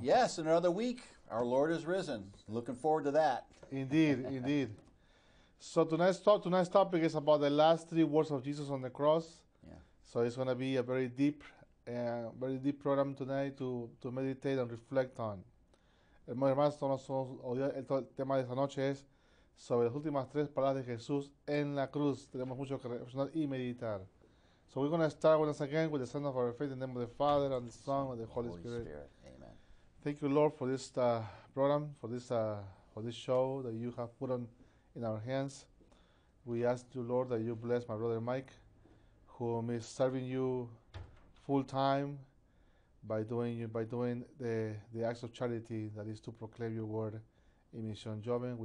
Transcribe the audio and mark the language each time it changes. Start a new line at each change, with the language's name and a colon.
English: Yes, another week. Our Lord is risen. Looking forward to that. Indeed, indeed. So tonight's topic is about the last three words of Jesus on the cross. So it's going to be a very deep. A very deep program tonight to meditate and reflect on.
Spanish: Hermanos, el tema de esta noche es sobre las últimas tres palabras de Jesús en la cruz. Tenemos mucho que reflexionar y meditar.
English: So we're going to start once again with the sign of our faith in the name of the Father and the Son and the Holy Spirit. Spirit. Amen. Thank you, Lord, for this program, for this show that you have put on in our hands. We ask you, Lord, that you bless my brother Mike, whom is serving you full time by doing the acts of charity that is to proclaim your word in Mission Joven.